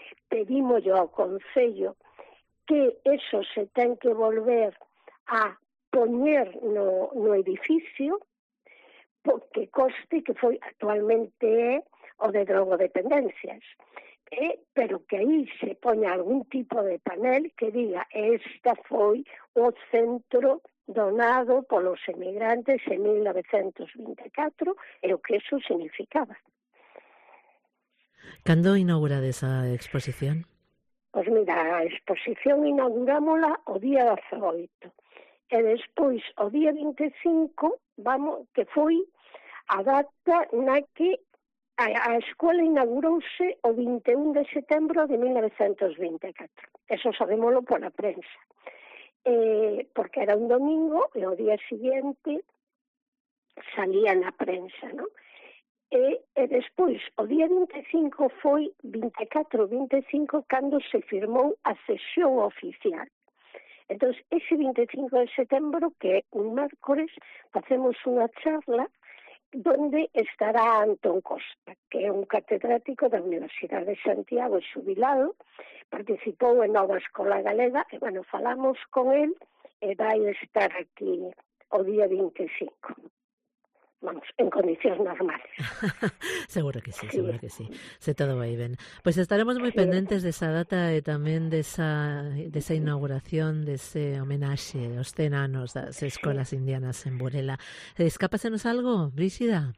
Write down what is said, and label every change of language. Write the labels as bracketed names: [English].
[Galician] Pedimos yo ao Concello que eso se ten que volver a poñer no edificio, porque coste que foi actualmente o de drogodependencias, pero que aí se poña algún tipo de panel que diga esta foi o centro donado polos emigrantes en 1924 e o que eso significaba. ¿Cando inaugurades a exposición? Pois mira, a exposición inaugurámola o día 18. E despois, o día 25, que foi a data na que a escola inaugurouse o 21 de setembro de 1924. Eso sabémolo pola prensa. Porque era un domingo e o día siguiente salía na prensa, ¿no? E despois, o día 25 foi 24-25 cando se firmou a cesión oficial. Entón, ese 25 de setembro, que é un mércores, facemos unha charla donde estará Antón Costa, que é un catedrático da Universidade de Santiago e xubilado, participou en Nova Escola Galega, e, bueno, falamos con él e vai estar aquí o día 25. [Spanish] Vamos, en condiciones normales. Seguro que sí, sí, seguro que sí. Se todo va y ven. Pues estaremos muy pendentes de esa data y también de esa inauguración, de ese homenaje de los 100 años de las escuelas indianas en Burela. [Galician] ¿Escápasenos algo, Brígida?